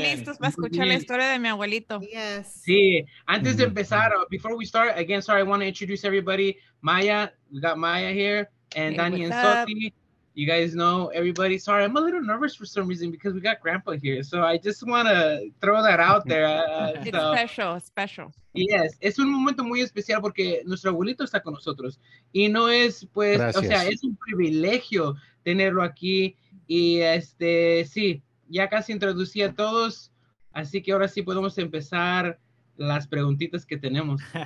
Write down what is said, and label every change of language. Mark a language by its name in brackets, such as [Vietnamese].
[Spanish] Listos para escuchar bien. La historia de mi abuelito. [English] Yes. Sí. [Spanish] Antes de empezar, [English] before we start, again, sorry, I want to introduce everybody. Maya, we got Maya here, and hey, Dani and Sophie. You guys know everybody. Sorry, I'm a little nervous for some reason because we got grandpa here. So I just want to throw that out there. It's special. [Spanish] Yes, es un momento muy especial porque nuestro abuelito está con nosotros. Y no es, pues, gracias. O sea, es un privilegio tenerlo aquí. Y sí, ya casi introducí a todos. Así que ahora sí podemos empezar las preguntitas que tenemos.